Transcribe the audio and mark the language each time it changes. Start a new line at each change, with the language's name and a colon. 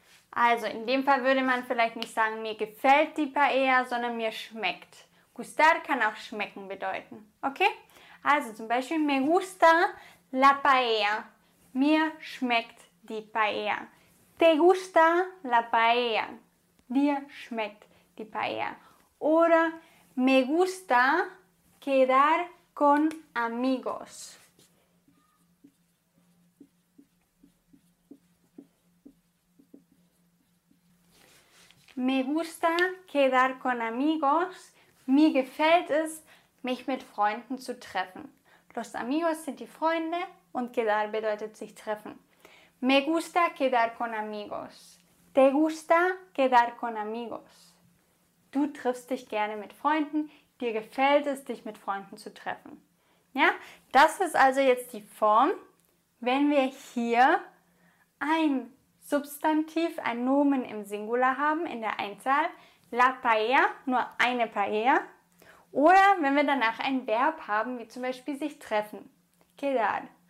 German: Also in dem Fall würde man vielleicht nicht sagen, mir gefällt die paella, sondern mir schmeckt. Gustar kann auch schmecken bedeuten. Okay? Also zum Beispiel,
Spanish: me gusta la paella.
German: Mir schmeckt die paella.
Spanish: Te gusta la paella.
German: Dir schmeckt die Paella. Oder
Spanish: me gusta quedar con amigos. Me gusta quedar con amigos.
German: Mir gefällt es, mich mit Freunden zu treffen.
Spanish: Los amigos
German: sind die Freunde und quedar bedeutet sich treffen.
Spanish: Me gusta quedar con amigos. Te gusta quedar con amigos.
German: Du triffst dich gerne mit Freunden. Dir gefällt es, dich mit Freunden zu treffen. Ja, das ist also jetzt die Form, wenn wir hier ein Substantiv, ein Nomen im Singular haben, in der Einzahl. La paella, nur eine paella. Oder wenn wir danach ein Verb haben, wie zum Beispiel sich treffen. Quedar.